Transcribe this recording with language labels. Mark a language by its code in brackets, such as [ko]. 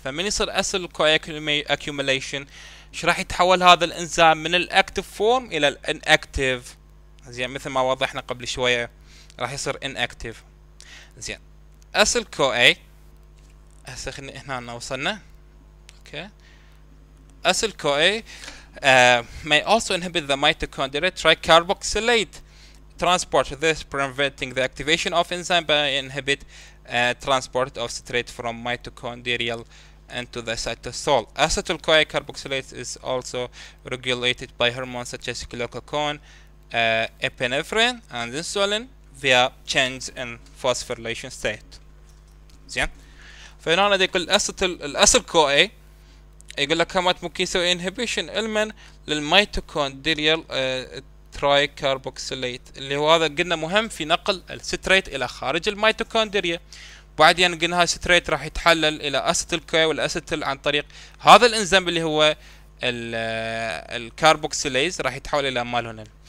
[ar] فمن يصير acyl CoA accumulation راح يتحول هذا الانزيم من الاكتيف فورم الى الانكتيف. زين مثل ما وضحنا قبل شوية راح يصير inactive. زين أصل كو اي هسه هنا وصلنا اوكي. [en] Acetyl CoA may also inhibit the mitochondria tricarboxylate transport, this preventing the activation of enzyme by inhibit transport of citrate from mitochondrial into the cytosol. Acetyl CoA carboxylate is also regulated by hormones such as glucagon, epinephrine, and insulin via change in phosphorylation state. [ar] زين؟ فهنا أنا أقول الأسيتيل CoA يقول لك هم ممكن يسوي inhibition المن للميتوكوندريال تريكاربوكسيليت اللي هو هذا قلنا مهم في نقل السترات إلى خارج الميتوكوندريا. بعدين قلنا هاي السترات راح يتحلل إلى أسيتيل كو والأسيتيل عن طريق هذا الإنزيم اللي هو الكاربوكسيليز راح يتحول إلى مالونين.